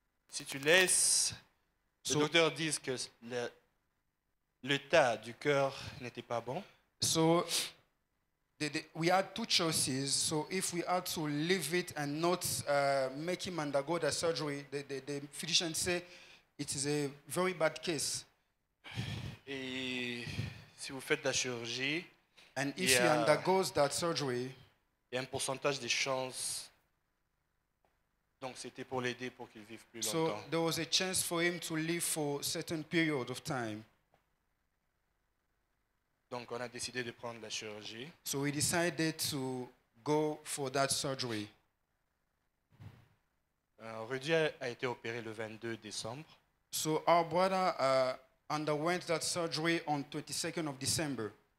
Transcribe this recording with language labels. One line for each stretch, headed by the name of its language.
French: Si tu laisses, les docteurs disent que l'état du cœur n'était pas bon.
English: So, we had two choices. So, if we had to leave it and not make him undergo the surgery, the physician say it is a very bad case.
French: Et si vous faites la chirurgie,
English: and if he undergoes that surgery,
French: il y a un pourcentage de chances. Donc c'était pour l'aider pour qu'il vive plus longtemps.
English: So there was a chance for him to live for a certain period of time.
French: Donc on a décidé de prendre la chirurgie.
English: So we decided to go for that surgery.
French: Rudy a été opéré le 22 décembre.
English: So our brother underwent that surgery on 22nd of December.